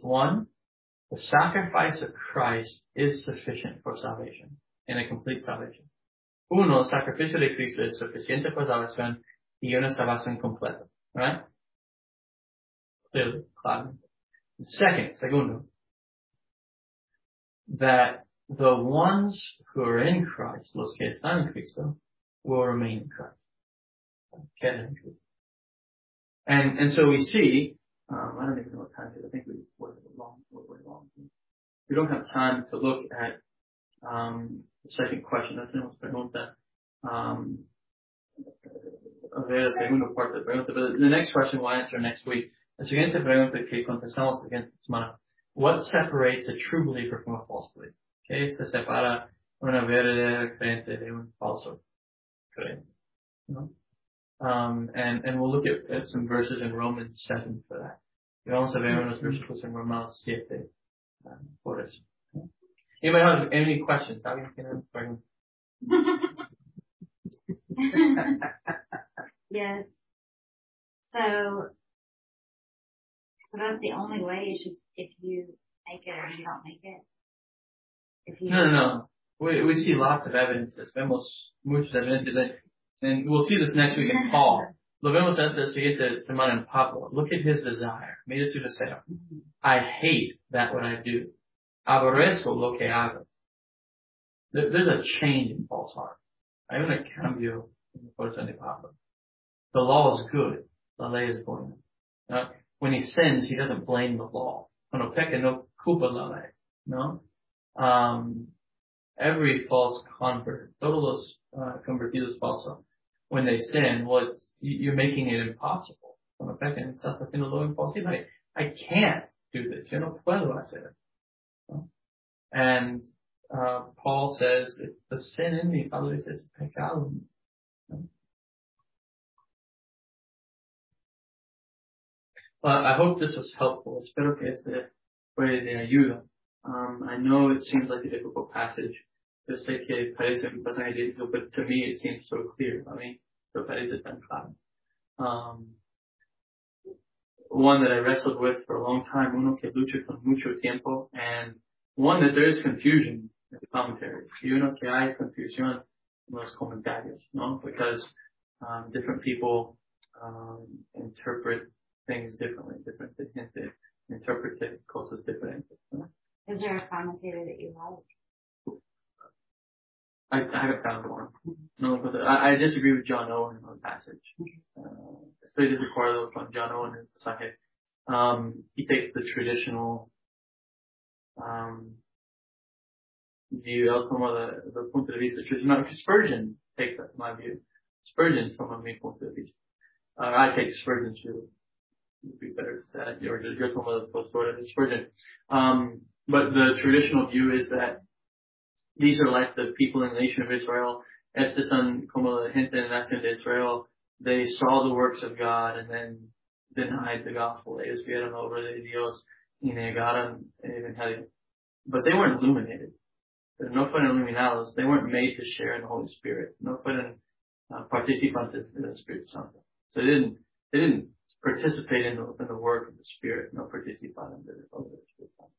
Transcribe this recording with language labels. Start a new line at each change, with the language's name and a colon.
English: One, the sacrifice of Christ is sufficient for salvation and a complete salvation.
Spanish: Uno, el sacrificio de Cristo es suficiente para salvación y una salvación completa.
English: Right? Clearly, claro. Segundo, that the ones who are in Christ,
Spanish: los que están en Cristo,
English: will remain in Christ. Get in Christ. And so we see, I don't even know what time it is. I think we worked a long, way long. We don't have time to look at, the second question. That's the most important.
Spanish: La segunda parte de la pregunta.
English: But the next question we'll answer next week.
Spanish: La siguiente pregunta que contestamos la siguiente semana.
English: What separates a true believer from a false believer?
Spanish: Okay, se separa una verdadera creyente de un falso creyente. No?
English: And we'll look at some verses in Romans 7 for that.
Spanish: Y vamos a ver unos versículos en Romanos 7 por eso.
English: Anybody have any questions?
Spanish: ¿Alguien tiene una pregunta?
English: Yes. So, but that's the only way is just if you make it or you don't make it. We see lots of evidences. Vemos muchas evidencias. And we'll see this next week in Paul.
Spanish: Lo vemos esta siguiente semana en Pablo.
English: Look at his desire.
Spanish: Mira su deseo.
English: I hate that what I do.
Spanish: Aborrezco lo que hago.
English: There's a change in Paul's heart.
Spanish: Hay un cambio en el corazón de Pablo.
English: The law is good.
Spanish: La ley es buena.
English: Now, when he sins, he doesn't blame the law.
Spanish: Cuando peca, no culpa la ley.
English: No? Every false convert,
Spanish: todos los convertidos falsos,
English: when they sin, well, it's, you're making it impossible.
Spanish: Cuando peca, estás haciendo lo imposible.
English: I can't do this.
Spanish: Yo no puedo hacer it. No? And Paul says, the sin in me, Pablo says, pecado.
English: But I hope this was helpful.
Spanish: Espero que este fue de ayuda.
English: I know it seems like a difficult passage.
Spanish: Yo sé que parece un pasaje difícil,
English: but to me it seems so clear. I mean, so
Spanish: parece tan claro.
English: One that I wrestled with for a long time,
Spanish: uno que luché con mucho tiempo,
English: and one that there is confusion in the commentaries.
Spanish: Y uno que hay confusión en los comentarios, no?
English: Because, different people, interpret things differently.
Spanish: Different gente interpreta cosas diferentes.
English: Is there a commentator that you like? I haven't found one. No, but I disagree with John Owen on the passage.
Spanish: Estoy desacuerdo con John Owen en el pasaje.
English: He takes the traditional view.
Spanish: El tomo the punto de vista traditional.
English: Spurgeon takes that, my view.
Spanish: Spurgeon toma mi punto de vista. I take Spurgeon's view. Would be better to say that.
English: You're talking about the post-order of Spurgeon. But the traditional view is that these are like the people in the nation of Israel.
Spanish: Estos son como la gente en la nación de Israel.
English: They saw the works of God and then denied the gospel.
Spanish: Ellos vieron obra de Dios y negaron el evangelio.
English: But they weren't illuminated.
Spanish: Pero no fueron iluminados.
English: They weren't made to share in the Holy Spirit.
Spanish: No fueron participantes
English: in the Spirit Santo. So they didn't participate in the work of the Spirit, no participate in the work of the Spirit.